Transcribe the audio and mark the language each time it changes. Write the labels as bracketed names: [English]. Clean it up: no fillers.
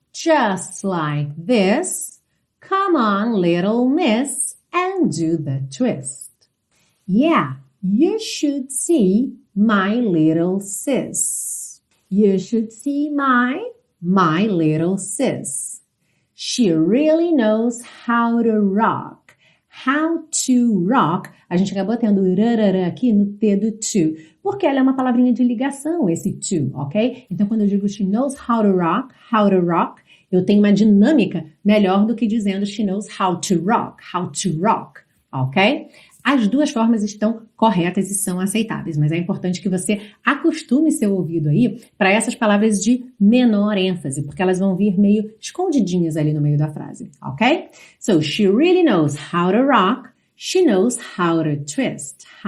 [English] just like this. Come on, little miss, and do the twist. Yeah, you should see my little sis. You should see my little sis. She really knows how to rock. How to rock. [Portuguese] A gente acabou tendo rarara aqui no T do to, porque ela é uma palavrinha de ligação, esse to, ok? Então, quando eu digo [English] she knows how to rock, [Portuguese] eu tenho uma dinâmica melhor do que dizendo she knows how to rock, ok? As duas formas estão corretas e são aceitáveis, mas é importante que você acostume seu ouvido aí para essas palavras de menor ênfase, porque elas vão vir meio escondidinhas ali no meio da frase, ok? [English] So, she really knows how to rock, she knows how to twist.